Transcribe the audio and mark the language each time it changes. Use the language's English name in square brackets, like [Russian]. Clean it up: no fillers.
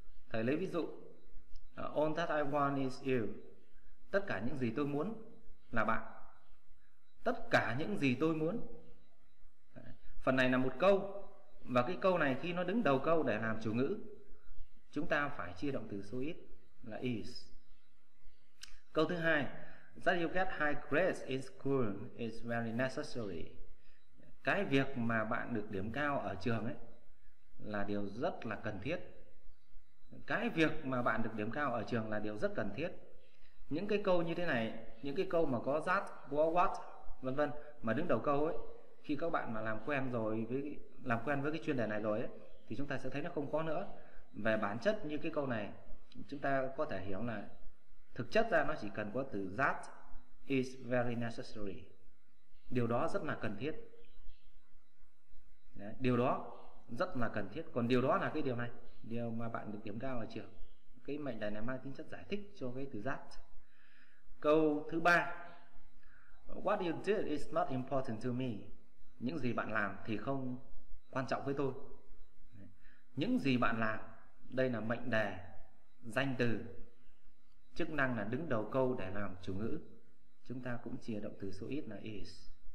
[Vietnamese] Thầy lấy ví dụ [English] all that I want is you, [Vietnamese] tất cả những gì tôi muốn là bạn. Tất cả những gì tôi muốn, phần này là một câu, và cái câu này khi nó đứng đầu câu để làm chủ ngữ, chúng ta phải chia động từ số ít là is. Câu thứ hai, [English] that you get high grades in school is very necessary. [Vietnamese] Cái việc mà bạn được điểm cao ở trường ấy là điều rất là cần thiết. Cái việc mà bạn được điểm cao ở trường là điều rất cần thiết. Những cái câu như thế này, những cái câu mà có that, what, vân vân mà đứng đầu câu ấy, khi các bạn mà làm quen rồi với cái chuyên đề này rồi ấy, thì chúng ta sẽ thấy nó không có nữa. Về bản chất như cái câu này, chúng ta có thể hiểu là thực chất ra nó chỉ cần có từ [English] that is very necessary, [Vietnamese] điều đó rất là cần thiết. Đấy, điều đó rất là cần thiết. Còn điều đó là cái điều này, điều mà bạn được điểm cao ở trường. Cái mệnh đề này mang tính chất giải thích cho cái từ that. Câu thứ ba, [English] what you did is not important to me. [Vietnamese] Những gì bạn làm thì không quan trọng với tôi. Đấy. Những gì bạn làm, đây là mệnh đề danh từ, chức năng là đứng đầu câu để làm chủ ngữ. Chúng ta cũng chia động từ số ít là is.